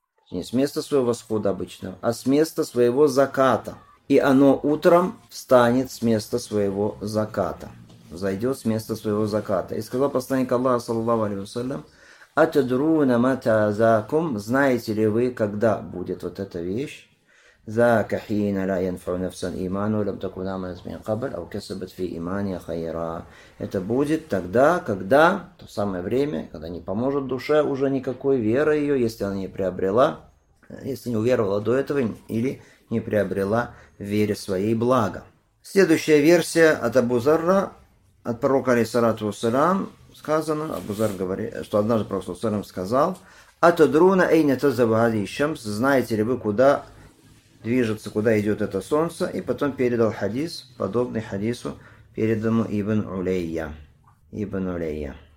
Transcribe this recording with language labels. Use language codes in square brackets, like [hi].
[ru] Не с места своего восхода обычного, а с места своего заката. И оно утром встанет с места своего заката. Зайдет с места своего заката. И сказал посланник Аллаха, саллаллаху алейхи ва саллям, [ar] «Атадруна матазакум». [ru] Знаете ли вы, когда будет вот эта вещь? [ar] ذاك حين لا ينفع نفسا إيمانه لم تكن آمنت من قبل أو كسبت في إيمانها خيرا. [ru] Это будет тогда, когда то самое время, когда не поможет душе уже никакой веры ее, если она не приобрела, если не уверовала до этого или не приобрела в вере своей благо. Следующая версия от Абу Зарра, от пророка алейхиссалату вассалям, сказано, Абу Зарр говорит, что однажды пророк алейхиссалату вассалям сказал: [ar] «Атадруна эйна тазхабу хадзихи ашшамс», [ru] знаете ли вы, куда движется, куда идет это солнце, и потом передал хадис, подобный хадису, переданному Ибн Улейя.